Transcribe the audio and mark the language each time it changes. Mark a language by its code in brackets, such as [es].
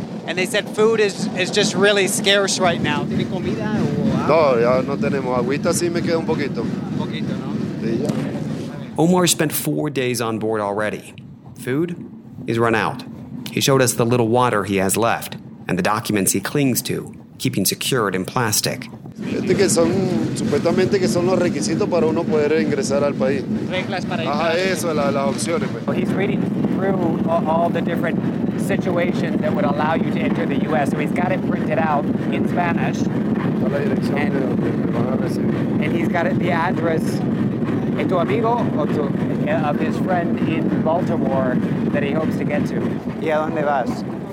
[en] And they said food is just really scarce right now. [es] No, ya no tenemos agüita, sí me queda un poquito. Un poquito, ¿no? [en] Omar spent 4 days on board already. Food is run out. He showed us the little water he has left and the documents he clings to, keeping secured in plastic. [es] Este que son, supuestamente que son los requisitos para uno poder ingresar al país. Reglas para ingresar. Ajá, eso, las opciones. Pues. [en] Well, he's reading through all the different situations that would allow you to enter the U.S. So he's got it printed out in Spanish. [es] La dirección de donde van a recibir. [en] And he's got it, the address. [es] ¿Es tu amigo o tu? [en] Of his friend in Baltimore that he hopes to get to. [es] ¿Y a dónde vas?